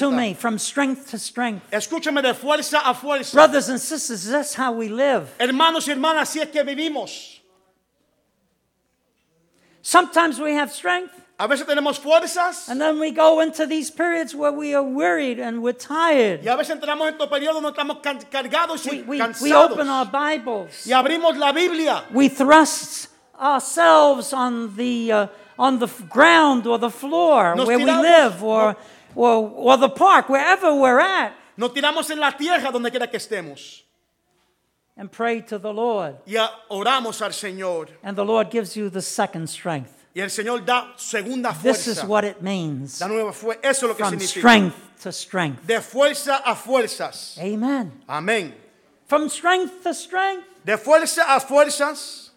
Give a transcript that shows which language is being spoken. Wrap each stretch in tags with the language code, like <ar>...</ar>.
<en>To me, from strength to strength.</en> <es>Escúchame de fuerza a fuerza.</es> <en>Brothers and sisters, that's how we live.</en> <es>Hermanos y hermanas, así es que vivimos.</es> <en>Sometimes we have strength.</en> <es>A veces tenemos fuerzas.</es> <en>And then we go into these periods where we are wearied and we're tired.</en> <es>Y a veces entramos en estos periodos donde estamos cargados y cansados.</es> <en>We open our Bibles.</en> <es>Y abrimos la Biblia.</es> <en>We thrust ourselves on the ground or the floor</en> <es>nos</es> <en>where</en> <es>tiramos,</es> <en>we live or the park, wherever we're at.</en> <es>Nos tiramos en la tierra donde quiera que estemos.</es> <en>And pray to the Lord.</en> <es>Y oramos al Señor.</es> <en>And the Lord gives you the second strength.</en> <es>Y el Señor da segunda fuerza.</es> <en>This is what it means.</en> <es>La nueva fuerza. Eso es lo que significa.</es> <en>From strength to strength.</en> <es>De fuerza a fuerzas.</es> <en>Amen.</en> <es>Amén.</es> <en>From strength to strength.</en> <es>De fuerza a fuerzas.</es>